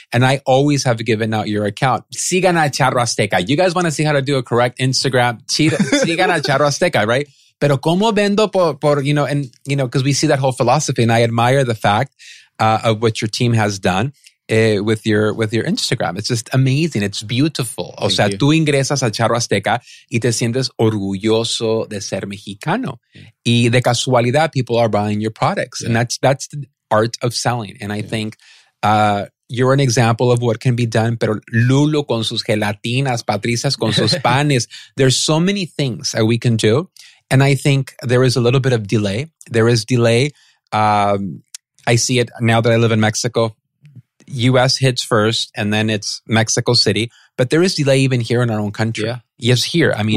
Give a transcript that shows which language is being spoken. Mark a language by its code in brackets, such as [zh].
[en] And I always have given out your account. [es] Sigan a Charro Azteca. [en] You guys want to see how to do a correct Instagram? [es] Sigan a Charro Azteca, [en] right? [es] Pero como vendo por, [en] you know, and, you know, because we see that whole philosophy and I admire the fact of what your team has done with your Instagram. It's just amazing. It's beautiful. Thank you. [es] Tú ingresas a Charro Azteca y te sientes orgulloso de ser mexicano. [en] Yeah. [es] Y de casualidad, [en] people are buying your products. Yeah. And that's the art of selling. And I think you're an example of what can be done. [es] Pero Lulo con sus gelatinas, Patricia con sus panes. [en] There's so many things that we can do. And I think there is a little bit of delay. There is delay. I see it now that I live in Mexico. U.S. hits first, and then it's Mexico City. But there is delay even here in our own country. Yeah. Yes, here. I mean,